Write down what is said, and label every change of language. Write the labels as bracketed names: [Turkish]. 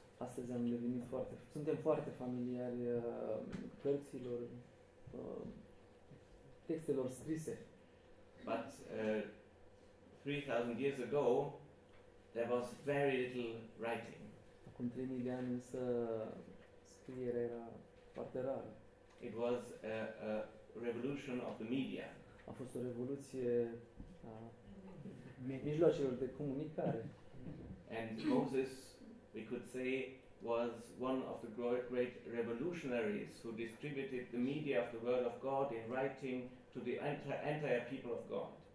[Romanian] Astăzi am devenit foarte suntem foarte familiari cărților textelor scrise. [English] But 3000 years ago there was very little writing. [Romanian] Acum 3000 de ani însă scrierea era foarte rară. [English] It was a revolution of the media. [Romanian] A fost o revoluție a mijloacelor de comunicare. [English] And Moses, we could say, was one of the great revolutionaries who distributed the media of the word of God in writing to the entire people of God.